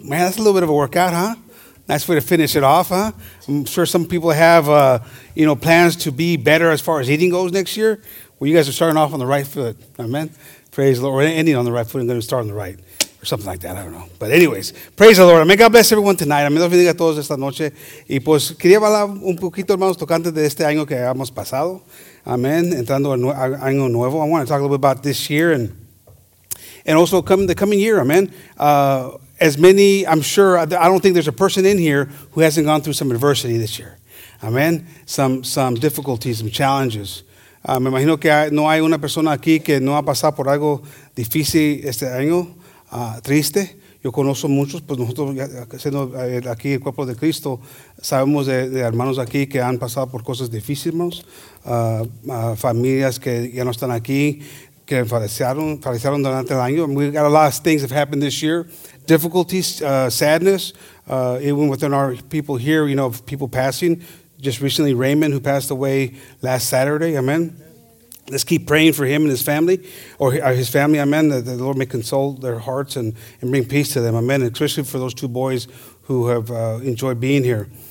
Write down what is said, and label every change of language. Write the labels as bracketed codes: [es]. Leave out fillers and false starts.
[en] Man, that's a little bit of a workout, huh? Nice way to finish it off, huh? I'm sure some people have, plans to be better as far as eating goes next year. Well, you guys are starting off on the right foot. Amen. Praise the Lord. We're ending on the right foot and going to start on the right. Or something like that. I don't know. But anyways, praise the Lord. May God bless everyone tonight. [es] Amén. Dios bendiga a todos esta noche. Y pues, quería hablar un poquito, hermanos, tocante de este año que hemos pasado. Amén. Entrando en año nuevo. [en] I want to talk a little bit about this year and also the coming year. Amén. As many, I'm sure, I don't think there's a person in here who hasn't gone through some adversity this year. Amén. Some difficulties, some challenges. [es] Me imagino que no hay una persona aquí que no ha pasado por algo difícil este año, triste. Yo conozco muchos, pues nosotros, siendo aquí el cuerpo de Cristo, sabemos de hermanos aquí que han pasado por cosas difíciles, hermanos. Familias que ya no están aquí, que fallecieron durante el año. [en] We've got a lot of things that have happened this year. Difficulties, sadness, even within our people here, you know, people passing. Just recently, Raymond, who passed away last Saturday, amen. Yes. Let's keep praying for him and his family, or his family, amen, that the Lord may console their hearts and bring peace to them, amen, especially for those two boys who have enjoyed being here.